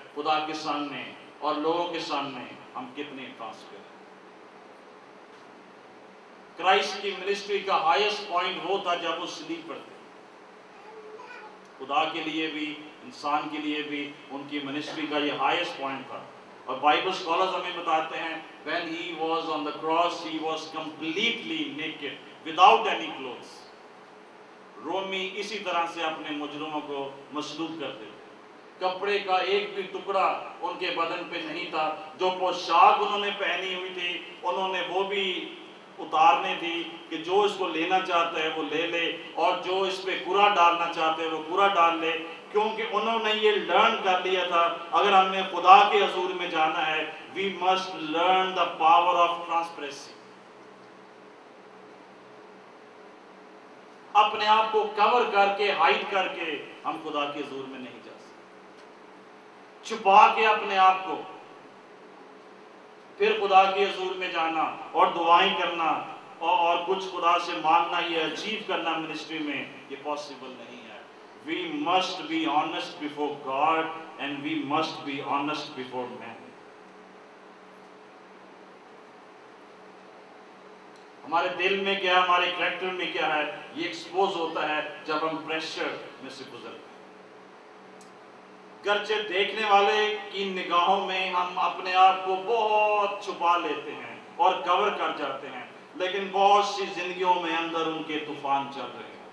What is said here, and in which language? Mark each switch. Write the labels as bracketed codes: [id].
[hi] खुदा के सामने और लोगों के सामने हम कितने ट्रांसपेरेंट हैं. क्राइस्ट की मिनिस्ट्री का हाईएस्ट पॉइंट वो था जब वो स्लीप पर थे. खुदा के लिए भी इंसान के लिए भी उनकी मिनिस्ट्री का ये हाईएस्ट पॉइंट था. और बाइबल स्कॉलर्स हमें बताते हैं [en] when he was on the cross he was completely naked without any clothes. [hi] रोमी इसी तरह से अपने मुजरिमों को मसलूब करते थे. कपड़े का एक भी टुकड़ा उनके बदन पे नहीं था. जो पोशाक उन्होंने पहनी हुई थी उन्होंने वो भी उतारने थी कि जो इसको लेना चाहता है वो ले ले और जो इस पे कूड़ा डालना चाहते हैं वो कूड़ा डाल ले. क्योंकि उन्होंने ये लर्न कर लिया था अगर हमने खुदा के हजूर में जाना है [en] We must learn the power of transparency. [hi] अपने आप को कवर करके हाइड करके हम खुदा के हजूर में नहीं जा सकते. छुपा के अपने आप को फिर खुदा के हजूर में जाना और दुआएं करना और कुछ खुदा से मांगना ये अचीव करना मिनिस्ट्री में ये पॉसिबल नहीं. [en] We must be honest before God and we must be honest before man. [hi] हमारे दिल में क्या है हमारे करेक्टर में क्या है ये एक्सपोज होता है जब हम प्रेशर में से गुजरते हैं. गर्चे देखने वाले की निगाहों में हम अपने आप को बहुत छुपा लेते हैं और कवर कर जाते हैं लेकिन बहुत सी जिंदगियों में अंदर उनके तूफान चल रहे हैं.